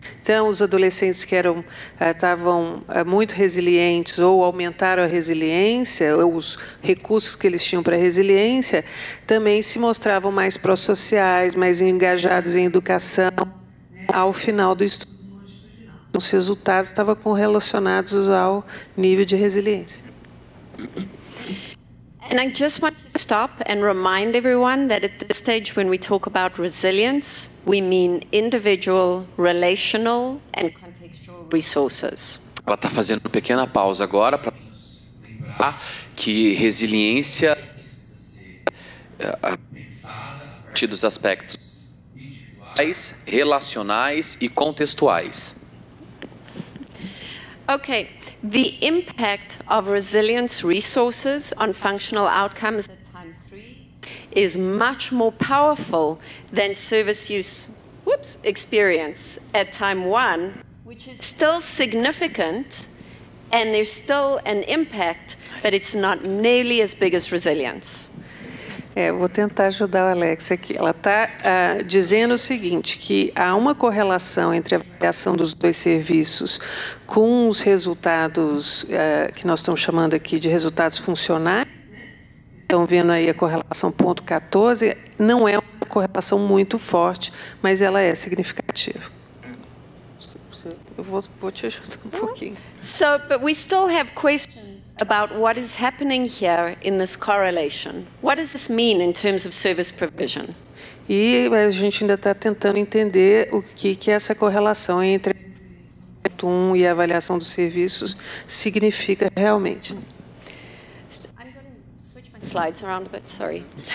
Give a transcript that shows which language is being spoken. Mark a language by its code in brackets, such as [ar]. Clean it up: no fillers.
[pt] Então, os adolescentes que estavam muito resilientes ou aumentaram a resiliência, ou os recursos que eles tinham para a resiliência, também se mostravam mais pró-sociais, mais engajados em educação ao final do estudo. Os resultados estavam correlacionados ao nível de resiliência. [en] And I just want to stop and remind everyone that at this stage, when we talk about resilience, we mean individual, relational, and contextual resources. [pt] Ela está fazendo uma pequena pausa agora para lembrar que resiliência precisa dos aspectos individuais, relacionais e contextuais. [en] Okay. The impact of resilience resources on functional outcomes at time 3 is much more powerful than service use experience at time 1, which is still significant, and there's still an impact, but it's not nearly as big as resilience. [pt] Vou tentar ajudar a Alexia aqui. Ela está dizendo o seguinte, que há uma correlação entre a avaliação dos dois serviços com os resultados que nós estamos chamando aqui de resultados funcionais. Estão vendo aí a correlação ponto 14. Não é uma correlação muito forte, mas ela é significativa. Eu vou te ajudar um pouquinho. [en] So, but we still have questions about what is happening here in this correlation. What does this mean in terms of service provision? [pt] E a gente ainda está tentando entender o que é essa correlação entre um e a avaliação dos serviços significa realmente. [en] I'm going to switch my slides around a bit, sorry.